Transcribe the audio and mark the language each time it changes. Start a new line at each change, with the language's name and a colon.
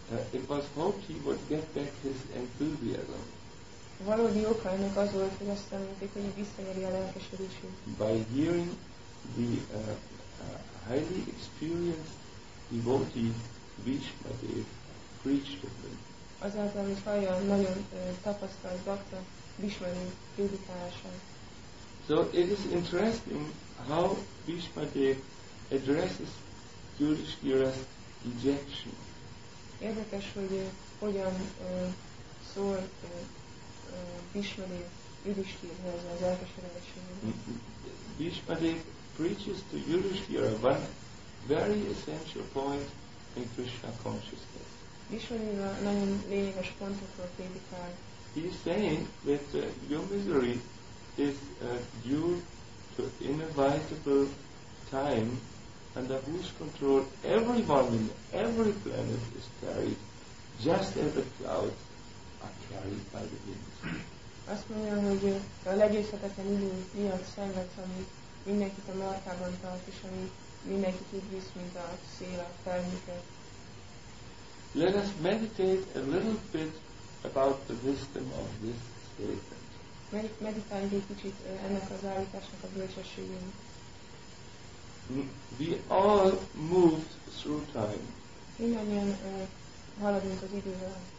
English: It was hoped he would get back his enthusiasm.
Hungarian: Valódi oka ennek az volt, hogy azt említik, hogy visszanyeri a lelkesedését.
English: By hearing the highly experienced devotee Vishvadev preach to him.
Hungarian: Azáltal, hogy hallja a nagyon tapasztalt bhakta Vishvadev prédikálását.
English: So it is interesting how Vishvadev addresses Yudhishthira's ejection.
Hungarian: Érdekes, hogy hogyan szól Vishvadev Yudhishthirhez az elkeseredésében.
English: Vishvadev preaches to Yudhishthira one very essential point in Krishna consciousness.
Hungarian: Vishvadev nagyon lényeges pontokról prédikál.
English: He is saying that your misery is due to inevitable time under whose control everyone in every planet is carried, just as the clouds are carried by the winds.
Hungarian: Azt mondja, hogy a legyőzhetetlen idő miatt szenvedsz, ami mindenkit a markában tart, és ami mindenkit úgy visz, mint a szél a felhőket.
English: Let us meditate a little bit about the wisdom of this statement.
Hungarian: Meditáljunk egy kicsit ennek az állításnak a bölcsességén.
English: We all moved through time.
Hungarian: Mindannyian haladunk az idővel.